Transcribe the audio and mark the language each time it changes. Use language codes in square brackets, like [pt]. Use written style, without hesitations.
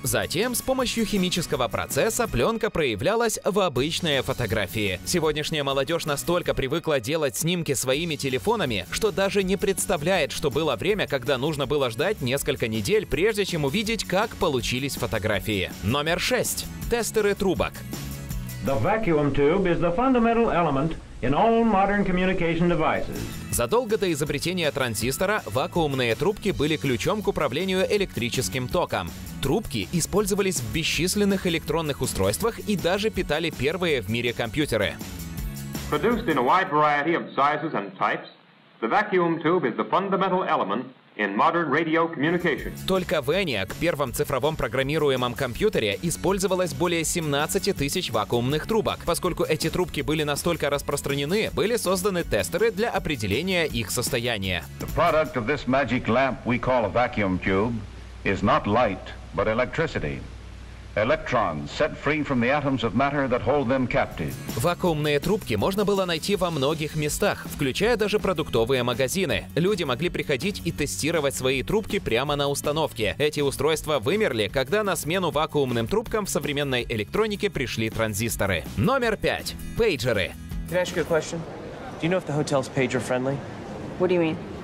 [ru] Затем с помощью химического процесса пленка проявлялась в обычной фотографии. Сегодняшняя молодежь настолько привыкла делать снимки своими телефонами, что даже не представляет, что было время, когда нужно было ждать несколько недель, прежде чем увидеть, как получились фотографии. Номер 6. Тестеры трубок. [en] The vacuum tube is the fundamental element in all modern communication devices. [ru] Задолго до изобретения транзистора вакуумные трубки были ключом к управлению электрическим током. Трубки использовались в бесчисленных электронных устройствах и даже питали первые в мире компьютеры. [en] Produced in a wide variety of sizes and types, the vacuum tube is the fundamental element in modern radio communication. [ru] Только в ENIAC, первом цифровом программируемом компьютере, использовалось более 17 тысяч вакуумных трубок. Поскольку эти трубки были настолько распространены, были созданы тестеры для определения их состояния. [en] The product of this magic lamp we call a vacuum tube is not light, but electricity. Electrons set free from the atoms of matter that hold them captive. [ru] Вакуумные трубки можно было найти во многих местах, включая даже продуктовые магазины. Люди могли приходить и тестировать свои трубки прямо на установке. Эти устройства вымерли, когда на смену вакуумным трубкам в современной электронике пришли транзисторы. Номер 5. Пейджеры. [en] Can I ask you a question? Do you know if the hotel's pager friendly? What do you mean?